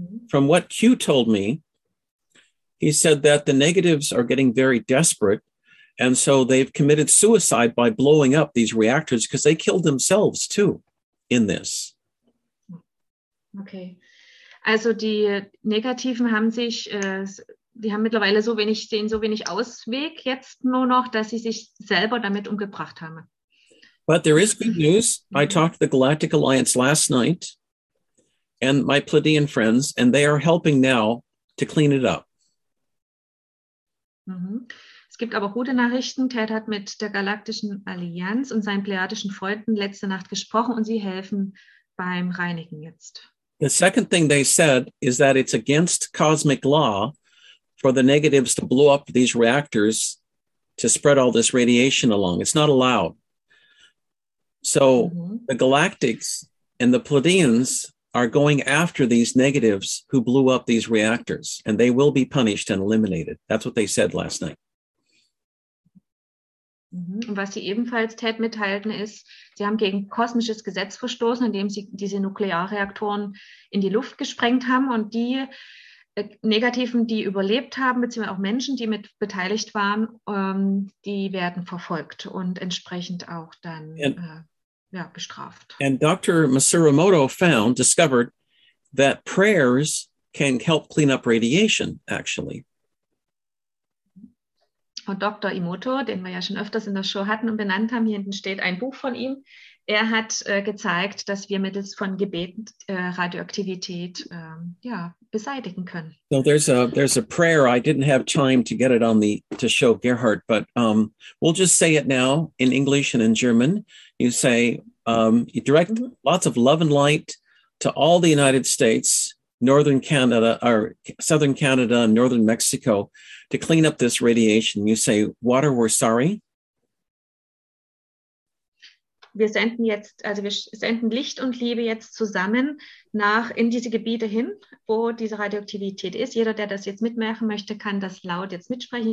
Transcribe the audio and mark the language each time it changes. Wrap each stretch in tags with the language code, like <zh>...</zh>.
<en>From what Q told me, he said that the negatives are getting very desperate. And so they've committed suicide by blowing up these reactors because they killed themselves too in this. Okay.</en> <de>Also die Negativen haben sich, die haben mittlerweile so wenig Ausweg jetzt nur noch, dass sie sich selber damit umgebracht haben.</de> <en>But there is good news. I talked to the Galactic Alliance last night and my Pleiadian friends, and they are helping now to clean it up.</en> <de>Mm-hmm. Es gibt aber gute Nachrichten. Ted hat mit der Galaktischen Allianz und seinen Pleiadischen Freunden letzte Nacht gesprochen und sie helfen beim Reinigen jetzt.</de> <en>The second thing they said is that it's against cosmic law for the negatives to blow up these reactors to spread all this radiation along. It's not allowed. So the Galactics and the Pleiadians are going after these negatives who blew up these reactors, and they will be punished and eliminated. That's what they said last night.</en> <de>Und was sie ebenfalls Ted mitteilten ist, sie haben gegen kosmisches Gesetz verstoßen, indem sie diese Nuklearreaktoren in die Luft gesprengt haben und die Negativen, die überlebt haben, beziehungsweise auch Menschen, die mit beteiligt waren, die werden verfolgt und entsprechend auch dann bestraft.</de> <en>And Dr. Masuramoto discovered that prayers can help clean up radiation, actually.</en> <de>Und Dr. Imoto, den wir ja schon öfters in der Show hatten und benannt haben, hier hinten steht ein Buch von ihm. Er hat gezeigt, dass wir mittels von Gebet Radioaktivität beseitigen können.</de> <en>So there's a prayer. I didn't have time to get it on to show Gerhard, but we'll just say it now in English and in German. You say, you direct lots of love and light to all the United States, Northern Canada, or Southern Canada and Northern Mexico to clean up this radiation. You say, water, we're sorry.</en> <de>Wir senden jetzt, also wir senden Licht und Liebe jetzt zusammen nach in diese Gebiete hin, wo diese Radioaktivität ist. Jeder, der das jetzt mitmachen möchte, kann das laut jetzt mitsprechen.</de>